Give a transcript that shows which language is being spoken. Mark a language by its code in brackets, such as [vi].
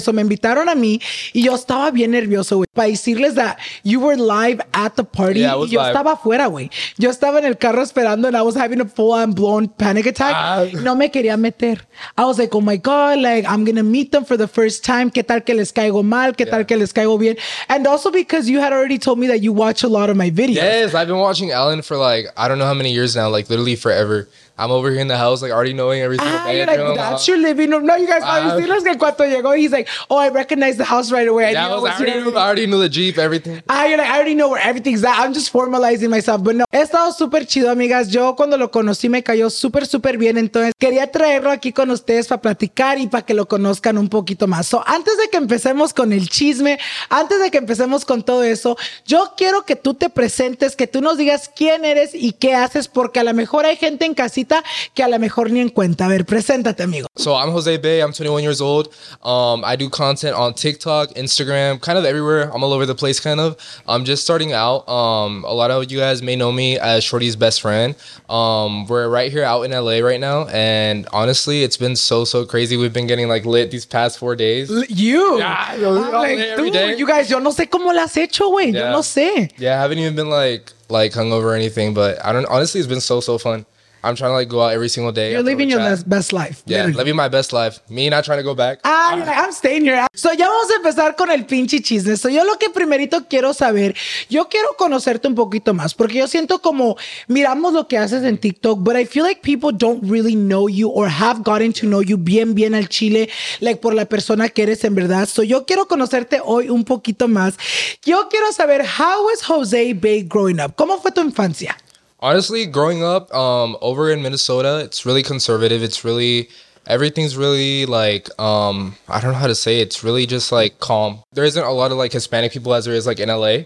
[es] So me invitaron a mí y yo estaba bien nervioso, güey. Para decirles [en] that you were live at the party. Yeah, [es] y yo estaba afuera, güey. Yo estaba en el carro esperando [en] and I was having a full-blown panic attack. [es] No me quería meter. [en] I was like, oh my God, like, I'm going to meet them for the first time. [es] ¿Qué tal que les caigo mal? ¿Qué tal que les caigo bien? [en] And also because you had already told me that you watch a lot of my videos. Yes, I've been watching Alan for like, I don't know how many years now, like literally forever. I'm over here in the house, like already knowing everything. That's your living room. No, you guys, obviously, [es] los que cuando llegó, [en] he's like, oh, I recognize the house right away. I already knew the Jeep, everything. You're like, I already know where everything's at. I'm just formalizing myself. But no, [es] he estado súper chido, amigas. Yo cuando lo conocí, me cayó súper, súper bien. Entonces, quería traerlo aquí con ustedes para platicar y para que lo conozcan un poquito más. So, antes de que empecemos con el chisme, antes de que empecemos con todo eso, yo quiero que tú te presentes, que tú nos digas quién eres y qué haces, porque a lo mejor hay gente en casita cuenta que a lo mejor ni en cuenta. A ver, preséntate, amigo. [en] So I'm Jose Bay. I'm 21 years old. I do content on TikTok, Instagram, kind of everywhere. I'm all over the place, kind of. I'm just starting out. A lot of you guys may know me as Shorty's best friend. We're right here out in LA right now. And honestly, it's been so, so crazy. We've been getting like lit these past 4 days. You? Yeah. Like, dude, you guys, [es] yo no sé cómo lo has hecho, güey. Yeah. Yo no sé. [en] Yeah, I haven't even been like hungover or anything. But I don't, honestly, it's been so, so fun. I'm trying to like go out every single day. You're living your best life. Yeah, literally. Living my best life. Me not trying to go back. I'm staying here. [es] So ya vamos a empezar con el pinche chisme. So yo lo que primerito quiero saber, yo quiero conocerte un poquito más. Porque yo siento como miramos lo que haces en TikTok, [en] but I feel like people don't really know you [es] or have gotten to know you bien, bien al chile, like por la persona que eres en verdad. So yo quiero conocerte hoy un poquito más. Yo quiero saber, [en] how was Jose Bay growing up? [es] ¿Cómo fue tu infancia? [en] Honestly, growing up over in Minnesota, it's really conservative. It's really, everything's really like, I don't know how to say it. It's really just like calm. There isn't a lot of like Hispanic people as there is like in LA.